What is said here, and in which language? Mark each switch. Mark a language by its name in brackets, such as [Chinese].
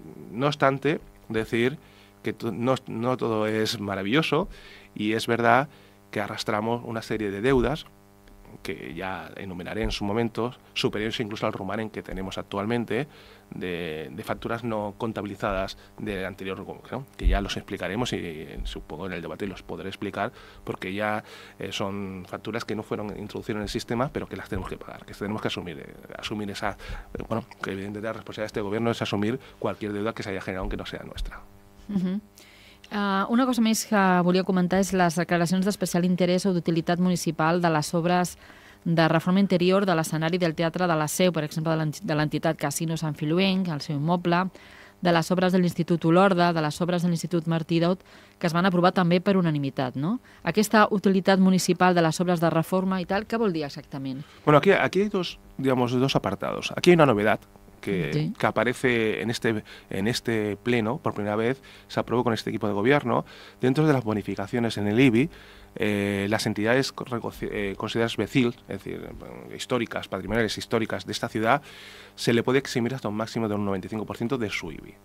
[Spanish] No obstante, decir que no todo es maravilloso, y es verdad que arrastramos una serie de deudas que ya enumeraré en su momento, superiores incluso al rumor en que tenemos actualmente, de facturas no contabilizadas del anterior, ¿no?, que ya los explicaremos, y supongo en el debate los podré explicar, porque ya son facturas que no fueron introducidas en el sistema, pero que las tenemos que pagar, que tenemos que asumir esa, que evidentemente la responsabilidad de este gobierno es asumir cualquier deuda que se haya generado, aunque no sea nuestra. [Catalan] Una cosa més que volia comentar és les declaracions d'especial interès o d'utilitat municipal de les obres de reforma interior de l'escenari del Teatre de la Seu, per exemple, de l'entitat Casino Sant Filuenc, el seu immoble, de les obres de l'Institut Olorda, de les obres de l'Institut Martí Daut, que es van aprovar també per unanimitat, no? Aquesta utilitat municipal de les obres de reforma i tal, què vol dir exactament? [Spanish] Bueno, aquí hay dos apartados. Aquí hay una novedad, que aparece en este pleno, por primera vez, se aprobó con este equipo de gobierno, dentro de las bonificaciones en el IBI, las entidades consideradas BECIL, es decir, históricas, patrimoniales históricas de esta ciudad, se le puede eximir hasta un máximo de un 95% de su IBI.